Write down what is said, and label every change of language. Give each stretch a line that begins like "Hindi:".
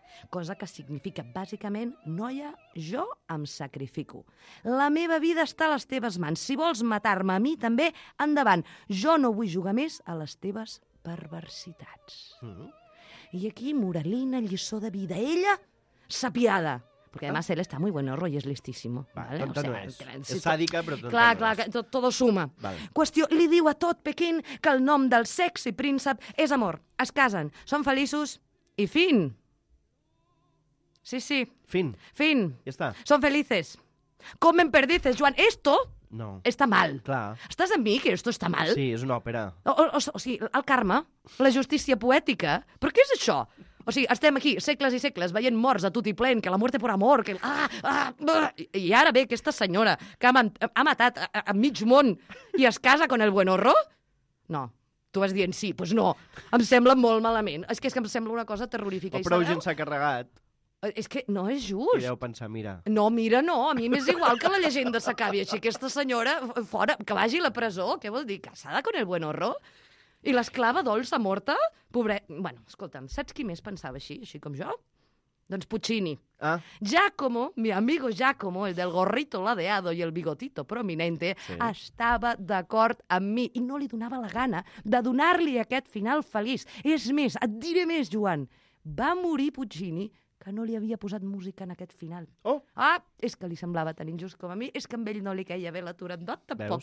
Catalan: Cosa que significa, bàsicament, noia, jo em sacrifico. La meva vida està a les teves mans. Si vols matar-me a mi, també, endavant. Jo no vull jugar més a les teves perversitats. Mm-hmm. I aquí, moralina, lliçó de vida. Ella, sapiada.
Spanish: Perquè, además, él está muy bueno, rollo es listísimo.
Catalan: Vale, tonto no és. És sàdica, però tonto no és. Clar, clar,
Spanish: que todo suma.
Catalan: Vale. Qüestió, li diu a tot Pequín que el nom del sexy príncep és amor. Es casen, són feliços i fin. Sí, sí.
Spanish: Fin. Fin.
Catalan: Ja està. Són
Spanish: felices. Comen perdices, Joan. Esto...
Catalan: No. Està mal. Clar. Estàs amb mi, que
Spanish: esto
Catalan: està mal? Sí, és una òpera. O sigui, el karma, la justícia poètica, però què és això? O sigui, estem aquí segles i segles veient morts a tutiplén,
Spanish: que la muerte por amor,
Catalan: que... I ara ve aquesta senyora que ha matat a mig món i es casa
Spanish: con el buen horror?
Catalan: No. Tu vas dient sí, pues no. Em sembla molt malament. És que em sembla una cosa terrorífica. O prou gent s'ha carregat. És que no és just. I deu pensar, mira... No, mira, no. A mi m'és igual que la llegenda s'acabi així. Aquesta senyora, fora, que vagi a la presó. Què vol dir?
Spanish: Casada con el buen horror?
Catalan: I l'esclava dolça, morta? Pobre... Bueno, escolta'm, saps qui més pensava així, així com jo? Doncs Puccini. Ah.
Spanish: Giacomo, mi amigo Giacomo, el del gorrito ladeado
Catalan: i
Spanish: el bigotito prominente,
Catalan: sí, estava d'acord amb mi i no li donava la gana de donar-li aquest final feliç. És més, et diré més, Joan. Va morir Puccini... que no li havia posat música en aquest final. Oh. Ah, és que li semblava tan injust com a mi. És que amb ell no li queia bé la Turandot, tampoc.